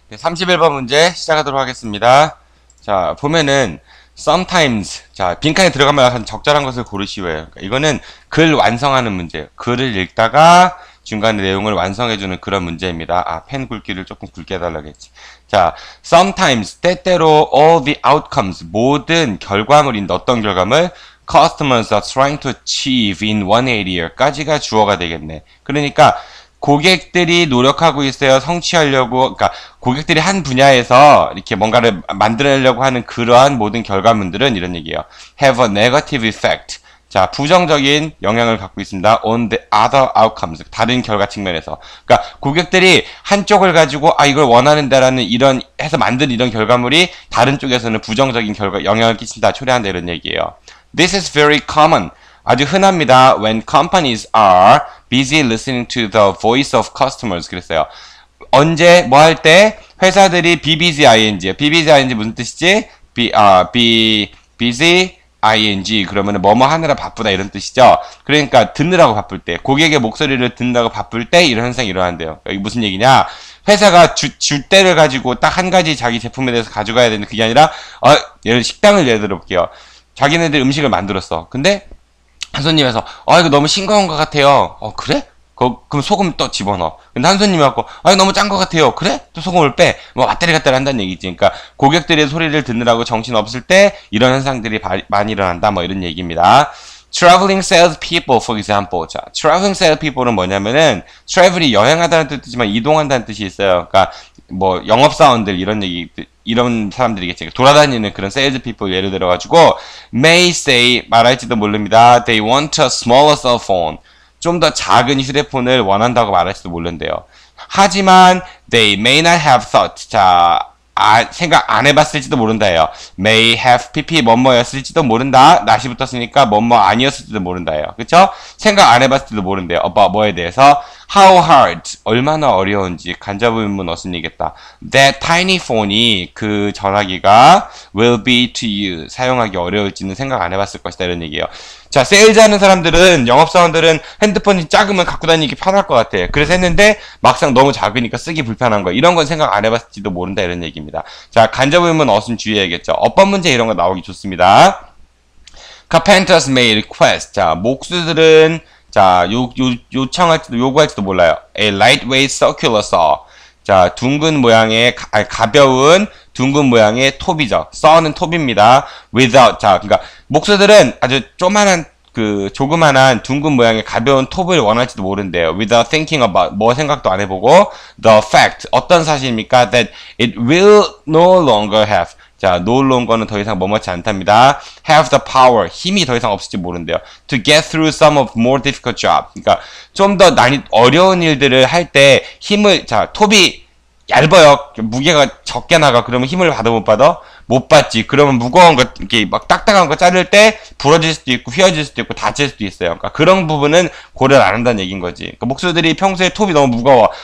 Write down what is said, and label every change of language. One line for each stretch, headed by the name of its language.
Korean: 31번 문제 시작하도록 하겠습니다. 자, 보면은 sometimes, 자, 빈칸에 들어가면 한 적절한 것을 고르시오예요. 그러니까 이거는 글 완성하는 문제예요. 글을 읽다가 중간에 내용을 완성해주는 그런 문제입니다. 아, 펜 굵기를 조금 굵게 해달라 그랬지. 자, sometimes, 때때로
English: all the outcomes,
Korean: 모든 결과물인 어떤 결과물?
English: customers are trying to achieve in one area
Korean: 까지가 주어가 되겠네. 그러니까 고객들이 노력하고 있어요. 성취하려고. 그러니까 고객들이 한 분야에서 이렇게 뭔가를 만들어내려고 하는 그러한 모든 결과물들은 이런 얘기예요.
English: Have a negative effect.
Korean: 자, 부정적인 영향을 갖고 있습니다.
English: On the other outcomes.
Korean: 다른 결과 측면에서. 그러니까 고객들이 한쪽을 가지고 아 이걸 원하는데라는 이런 해서 만든 이런 결과물이 다른 쪽에서는 부정적인 결과 영향을 끼친다. 초래한다 이런 얘기예요.
English: This is very common.
Korean: 아주 흔합니다.
English: When companies are busy listening to the voice of customers.
Korean: 그랬어요. 언제, 뭐할 때, 회사들이
English: be busy ing. be busy ing
Korean: 무슨 뜻이지?
English: be busy ing.
Korean: 그러면 뭐뭐 하느라 바쁘다. 이런 뜻이죠. 그러니까, 듣느라고 바쁠 때, 고객의 목소리를 듣느라고 바쁠 때, 이런 현상이 일어난대요. 이게 무슨 얘기냐? 회사가 줄 때를 가지고 딱한 가지 자기 제품에 대해서 가져가야 되는 그게 아니라, 예를 식당을 예를 들어볼게요. 자기네들 음식을 만들었어. 근데 한 손님에서 아 이거 너무 싱거운 것 같아요. 그래? 그럼 소금 또 집어넣어. 근데 한 손님이 왔고 아 너무 짠것 같아요. 그래? 또 소금을 빼. 뭐 왔다리 갔다리 한다는 얘기지. 그러니까 고객들의 소리를 듣느라고 정신 없을 때 이런 현상들이 많이 일어난다. 뭐 이런 얘기입니다.
English: Traveling sales people, for example.
Korean: 자, traveling sales people은 뭐냐면은 travel이 여행하다는 뜻이지만 이동한다는 뜻이 있어요. 그러니까 뭐 영업사원들 이런 얘기. 이런 사람들이겠지. 돌아다니는 그런 sales people 예를 들어가지고,
English: may say,
Korean: 말할지도 모릅니다.
English: They want a smaller cell phone.
Korean: 좀더 작은 휴대폰을 원한다고 말할지도 모른대요. 하지만,
English: they may not have thought.
Korean: 자, 생각 안 해봤을지도 모른다예요. may have pp 뭐뭐였을지도 모른다. 나시 붙었으니까 뭐뭐 아니었을지도 모른다예요. 그쵸? 생각 안 해봤을지도 모른대요. about 뭐에 대해서.
English: How hard,
Korean: 얼마나 어려운지 간접의문 어순이겠다.
English: That tiny phone
Korean: 이 그 전화기가
English: will be to you
Korean: 사용하기 어려울지는 생각 안 해봤을 것이다 이런 얘기예요. 자, 세일즈하는 사람들은 영업사원들은 핸드폰이 작으면 갖고 다니기 편할 것 같아. 그래서 했는데 막상 너무 작으니까 쓰기 불편한 거. 이런 건 생각 안 해봤을지도 모른다 이런 얘기입니다. 자, 간접의문 어순 주의해야겠죠. 어법 문제 이런 거 나오기 좋습니다.
English: Carpenters may request.
Korean: 자, 목수들은 자, 요청할지도 요구할지도 몰라요.
English: A lightweight circular saw.
Korean: 자, 둥근 모양의 가벼운 둥근 모양의 톱이죠. saw는 톱입니다. without 자, 그러니까 목수들은 아주 조그만한 조그만한 둥근 모양의 가벼운 톱을 원할지도 모른대요.
English: without thinking about
Korean: 뭐 생각도 안 해보고
English: the fact
Korean: 어떤 사실입니까?
English: that it will no longer have 자, no longer는
Korean: 더 이상 머뭇지 않답니다.
English: have the power,
Korean: 힘이 더 이상 없을지 모른대요.
English: to get through some of more difficult job.
Korean: 그러니까 좀더 어려운 일들을 할때 힘을 자, 톱이 얇아요. 무게가 적게 나가. 그러면 힘을 받아 못 받아? 못 받지. 그러면 무거운 거 이렇게 막 딱딱한 거 자를 때 부러질 수도 있고 휘어질 수도 있고 다칠 수도 있어요. 그러니까 그런 부분은 고려를 안 한다는 얘긴 거지. 그러니까 목수들이 평소에 톱이 너무 무거워.